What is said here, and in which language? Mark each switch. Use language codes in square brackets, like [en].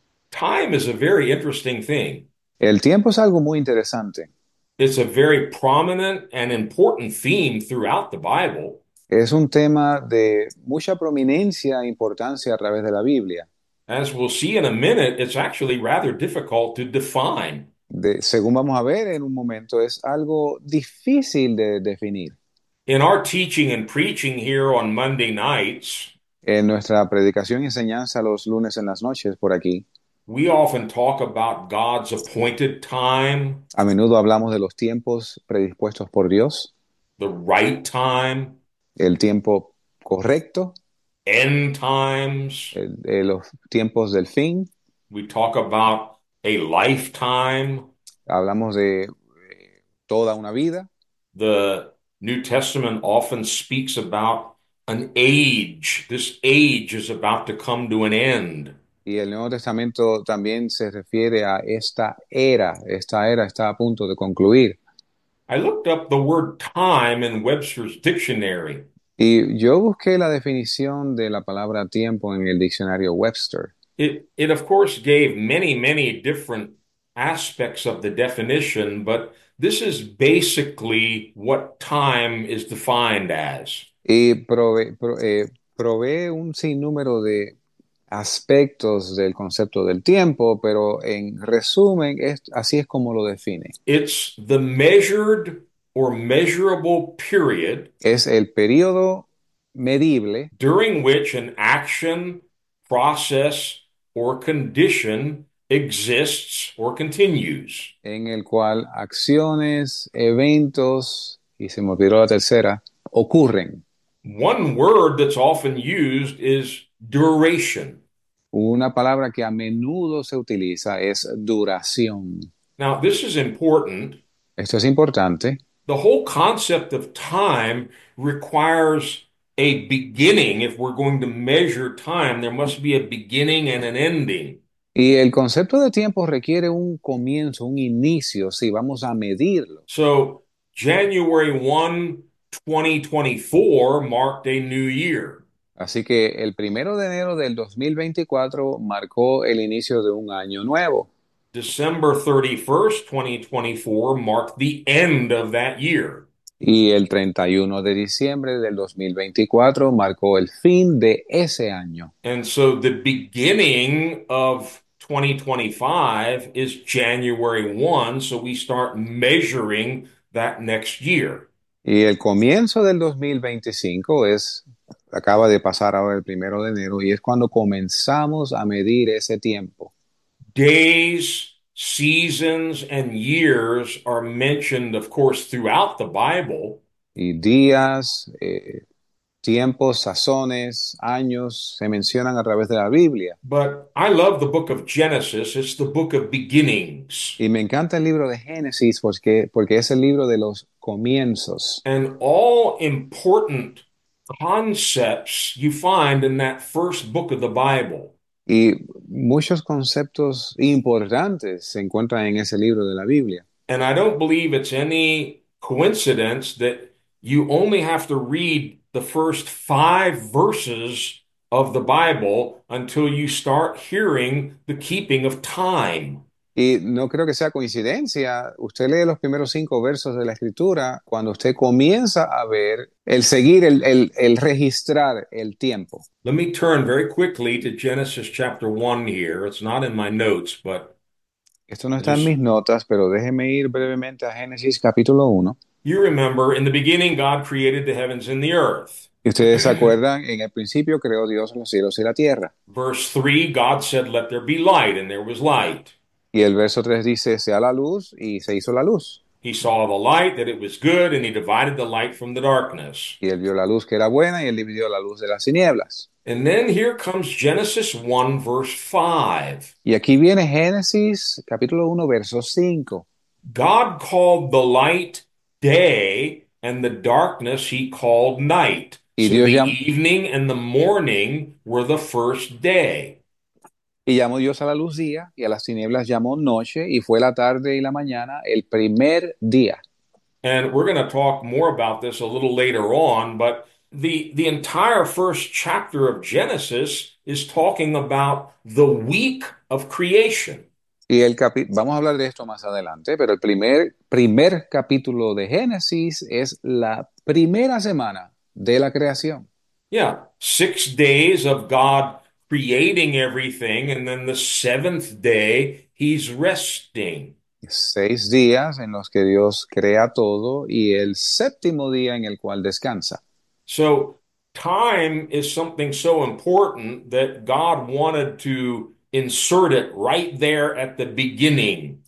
[en] Time is a very interesting thing. [es] El tiempo es algo muy interesante. [en] It's a very prominent and important theme throughout the Bible. [es] Es un tema de mucha prominencia e importancia a través de la Biblia. [en] As we'll see in a minute, it's actually rather difficult to define. [es] Según vamos a ver en un momento, es algo difícil de definir. [en] In our teaching and preaching here on Monday nights, [es] En nuestra predicación y enseñanza los lunes en las noches, por aquí, [en] we often talk about God's appointed time, [es] a menudo hablamos de los tiempos predispuestos por Dios, [en] the right time, [es] el tiempo correcto, [en] end times. [es] los tiempos del fin. [en] We talk about a lifetime. [es] Hablamos de toda una vida. [en] The New Testament often speaks about an age. This age is about to come to an end. [es] Y el Nuevo Testamento también se refiere a esta era. Esta era está a punto de concluir. [en] I looked up the word time in Webster's dictionary. [es] Y yo busqué la definición de la palabra tiempo en el diccionario Webster. [en] It of course gave many, many different aspects of the definition, but this is basically what time is defined as. [es] Y provee un sinnúmero de aspectos del concepto del tiempo, pero en resumen, así es como lo define. [en] It's the measured or measurable period [es] Es el periodo medible [en] during which an action, process, or condition exists or continues. [es] en el cual acciones, eventos, y se me olvidó la tercera, ocurren. [en] One word that's often used is duration. [es] Una palabra que a menudo se utiliza es duración. [en] Now, this is important. [es] Esto es importante. [en] The whole concept of time requires a beginning. If we're going to measure time, there must be a beginning and an ending. [es] Y el concepto de tiempo requiere un comienzo, un inicio, si vamos a medirlo. [en] So, January 1, 2024 marked a new year. [es] Así que el 1 de enero del 2024 marcó el inicio de un año nuevo. [en] December 31st, 2024 marked the end of that year. [es] Y el 31 de diciembre del 2024 marcó el fin de ese año. [en] And so the beginning of 2025 is January 1, so we start measuring that next year. [es] Y el comienzo del 2025 es. Acaba de pasar ahora el 1 de enero y es cuando comenzamos a medir ese tiempo. [en] Days, seasons and years are mentioned, of course, throughout the Bible. [es] Y días, tiempos, sazones, años se mencionan a través de la Biblia. [en] But I love the book of Genesis. It's the book of beginnings. [es] Y me encanta el libro de Génesis porque es el libro de los comienzos. [en] And all important concepts you find in that first book of the Bible. [es] Y muchos conceptos importantes se encuentran en ese libro de la Biblia. [en] And I don't believe it's any coincidence that you only have to read the first 5 verses of the Bible until you start hearing the keeping of time. [es] Y no creo que sea coincidencia. Usted lee los primeros cinco versos de la escritura cuando usted comienza a ver el seguir, el registrar el tiempo. [en] Let me turn very quickly to Genesis chapter 1 here. It's not in my notes, but [es] Esto no [en] I [es] está en mis [en] just. [es] notas, pero déjeme ir brevemente a Génesis capítulo 1. [en] You remember, in the beginning, God created the heavens and the earth. [es] ¿Y ustedes se acuerdan? En el principio creó Dios los cielos y la tierra. [en] Verse 3, God said, "Let there be light," and there was light. [es] Y el verso 3 dice, sea la luz, y se hizo la luz. [en] He saw the light, that it was good, and he divided the light from the darkness. [es] Y él vio la luz que era buena, y él dividió la luz de las tinieblas. [en] And then here comes Genesis 1, verse 5. [es] Y aquí viene Génesis, capítulo 1, verso 5. [en] God called the light day, and the darkness he called night. [es] Y [en] So [es] Dios [en] the [es] llama. [en] evening and the morning were the first day. [es] Y llamó Dios a la luz día y a las tinieblas llamó noche y fue la tarde y la mañana el primer día. [en] And we're going to talk more about this a little later on, but the entire first chapter of Genesis is talking about the week of creation. [es] Y el capi vamos a hablar de esto más adelante, pero el primer capítulo de Génesis es la primera semana de la creación. [en] Yeah, 6 days of God creating everything, and then the seventh day, he's resting. [es] 6 días en los que Dios crea todo y el séptimo día en el cual descansa. [en] So, time is something so important that God wanted to insert it right there at the beginning.